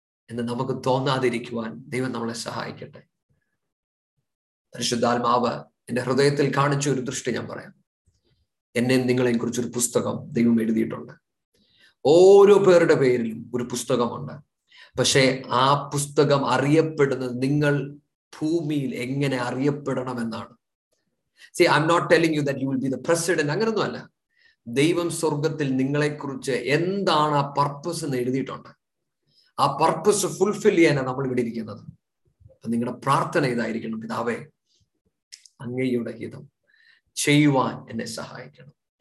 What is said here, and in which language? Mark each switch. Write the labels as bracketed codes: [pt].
[ml] എന്ന് നമുക്ക് തോന്നാതിരിക്കുവാൻ ദൈവം നമ്മളെ സഹായിക്കട്ടെ. പരിശുദ്ധാത്മാവ് എന്റെ ഹൃദയത്തിൽ കാണിച്ച ഒരു ദൃഷ്ടി ഞാൻ പറയാം. എന്നെ നിങ്ങളെയും കുറിച്ച് ഒരു പുസ്തകം ദൈവം എഴുതിയിട്ടുണ്ട്. ഓരോ പേരുടെ പേരിലും ഒരു പുസ്തകമുണ്ട്. പക്ഷേ ആ പുസ്തകം അറിയപ്പെടുന്നത് നിങ്ങൾ ഭൂമിയിൽ എങ്ങനെ അറിയപ്പെടണം എന്നാണ്. [en] See, I'm not telling you that you will be the president. [ml] അങ്ങനൊന്നും അല്ല. ദൈവം സ്വർഗത്തിൽ നിങ്ങളെ കുറിച്ച് എന്താണ് ആ പർപ്പസ് എന്ന് എഴുതിയിട്ടുണ്ട്. ആ പർപ്പസ് ഫുൾഫിൽ ചെയ്യാനാണ് നമ്മൾ ഇവിടെ ഇരിക്കുന്നത്. അപ്പൊ നിങ്ങളുടെ പ്രാർത്ഥന ഇതായിരിക്കണം, പിതാവേ, അങ്ങയുടെ ഹിതം ചെയ്യുവാൻ എന്നെ സഹായിക്കണം.